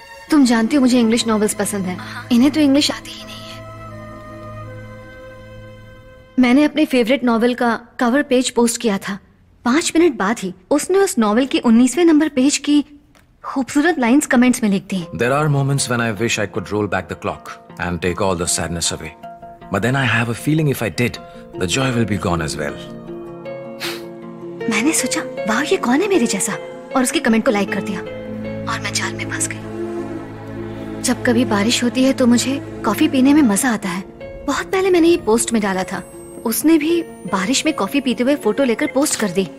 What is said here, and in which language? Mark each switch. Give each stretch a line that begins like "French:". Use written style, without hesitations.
Hindi: तुम जानती हो मुझे इंग्लिश नॉवेल्स पसंद है। हाँ। इन्हें तो इंग्लिश आती ही नहीं है। मैंने अपने फेवरेट नॉवेल का कवर पेज पोस्ट किया था, 5 मिनट बाद ही उसने उस नॉवेल के 19वें नंबर पेज की खूबसूरत लाइंस कमेंट्स में लिख दी।
English: There are moments when I wish I could roll back the clock and take all the sadness away, but then I have a feeling if I did, the joy will be gone as well.
Hindi: मैंने सोचा, वाह ये कौन है मेरे जैसा, और उसके कमेंट को लाइक कर दिया, और मैं जाल में फंस गई। जब कभी बारिश होती है तो मुझे कॉफी पीने में मजा आता है। बहुत पहले मैंने ये पोस्ट में डाला था, उसने भी बारिश में कॉफी पीते हुए फोटो लेकर पोस्ट कर दी।